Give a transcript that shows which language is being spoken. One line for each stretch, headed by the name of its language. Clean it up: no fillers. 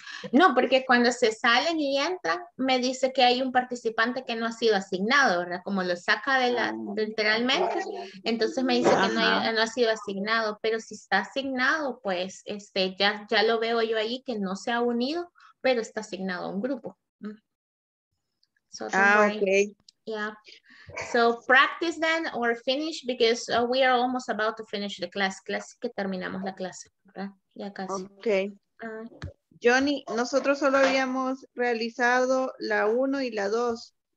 Spanish: No, porque cuando se salen y entran, me dice que hay un participante que no ha sido asignado, ¿verdad? Como lo saca de la, literalmente, entonces me dice, ajá, que no, no ha sido asignado, pero si está asignado, pues este, ya, ya lo veo yo ahí que no se ha unido, pero está asignado a un grupo.
English: So, ah, ok. Yeah. So practice then or finish because we are almost about to finish the class.
Spanish: Clase que terminamos la clase, ¿verdad? Ya casi.
English: Ok.
Spanish: Johnny, nosotros solo habíamos realizado la 1 y la 2.